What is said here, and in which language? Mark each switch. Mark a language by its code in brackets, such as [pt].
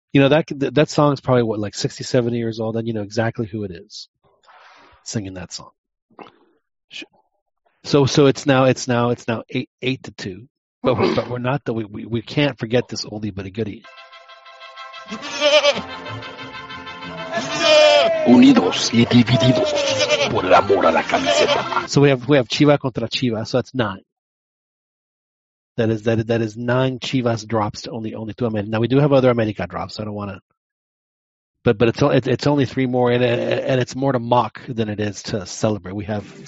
[en] You know, that song is probably, what, like 60, 70 years old, and you know exactly who it is singing that song. So it's now 8-2, but we're not that we can't forget this oldie but a goodie. [es] Unidos y divididos por el amor a la camiseta. [en] So we have Chivas contra Chivas. So that's nine. That is nine Chivas drops to only two America. Now we do have other America drops. So I don't want to. But it's only three more, and it's more to mock than it is to celebrate. We have.